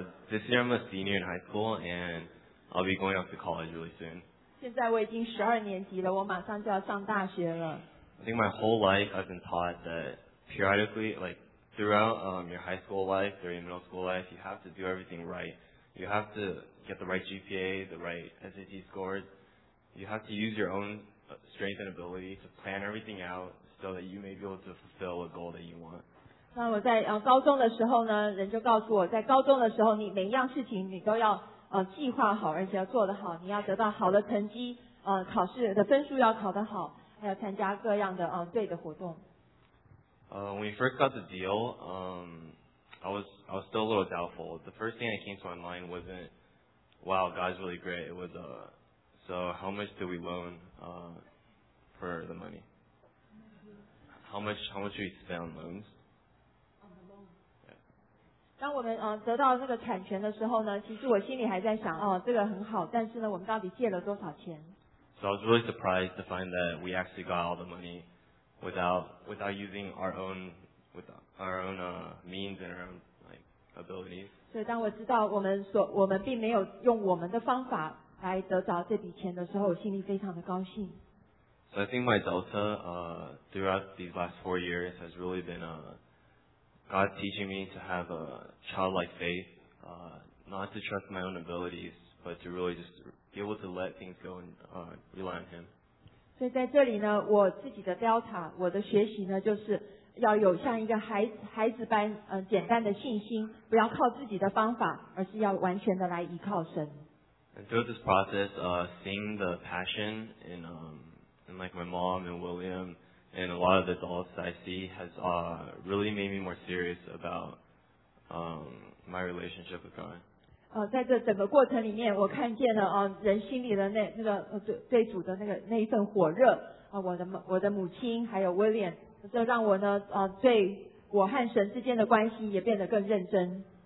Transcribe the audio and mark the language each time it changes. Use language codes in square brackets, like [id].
[en] This year I'm a senior in high school and I'll be going off to college really soon. [zh] 现在我已经十二年级了，我马上就要上大学了。 [en] I think my whole life I've been taught that periodically, like throughout your high school life, through your middle school life, you have to do everything right. You have to get the right GPA, the right SAT scores. You have to use your own strength and ability to plan everything out so that you may be able to fulfill a goal that you want. [zh] 那我在高中的时候呢，人就告诉我，在高中的时候，你每一样事情你都要计划好，而且要做得好，你要得到好的成绩，考试的分数要考得好，还要参加各样的对的活动。 [en] When we first got the deal, I was still a little doubtful. The first thing that came to my mind wasn't, "Wow, God's really great." It was, "So how much do we loan for the money? How much do we spend on loans?" [zh] 当我们得到这个产权的时候呢，其实我心里还在想，哦，这个很好，但是呢，我们到底借了多少钱 [en] ？So I was really surprised to find that we actually got all the money without using our own means and our own like abilities. [zh] 所以当我知道我们并没有用我们的方法来得到这笔钱的时候，我心里非常的高兴。 [en] So I think my delta throughout these last 4 years has really been God teaching me to have a childlike faith, not to trust my own abilities, but to really just be able to let things go and rely on Him. [zh] 所以在这里呢，我自己的 Delta， 我的学习呢，就是要有像一个孩子般简单的信心，不要靠自己的方法，而是要完全的来依靠神。 [en] And throughout this process, seeing the passion in like my mom and William. And a lot of the adults I see has really made me more serious about my relationship with God. [zh] 在这整个过程里面，我看见了人心里的那个对主的那一份火热我的母亲还有 William， 这让我呢对我和神之间的关系也变得更认真。